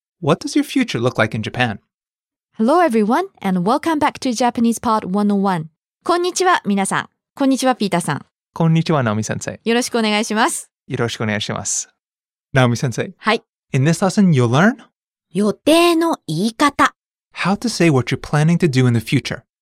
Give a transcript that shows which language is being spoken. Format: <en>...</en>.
<en>What does your future look like in Japan? Hello everyone, and welcome back to Japanese Part 101.</en> <ja>こんにちは、皆さん。こんにちは、ピーターさん。こんにちは、ナオミ先生。よろしくお願いします。よろしくお願いします。ナオミ先生。はい。</ja> <en>In this lesson, you'll learn</en> <ja>予定の言い方。</ja> <en>How to say what you're planning to do in the future.</en>